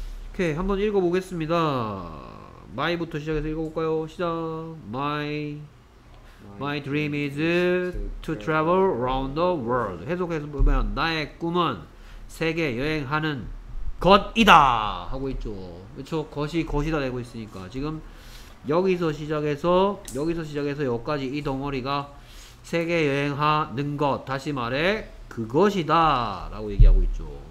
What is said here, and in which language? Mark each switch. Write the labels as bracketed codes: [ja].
[ko] 오케이, 한번 읽어보겠습니다. My부터 시작해서 읽어볼까요? 시작. [en] My dream is to travel around the world. [ko] 해석해서 보면 나의 꿈은 세계 여행하는 것이다 하고 있죠. 그렇죠? 것이다 되고 있으니까 지금 여기서 시작해서 여기까지 이 덩어리가 세계 여행하는 것, 다시 말해 그것이다 라고 얘기하고 있죠.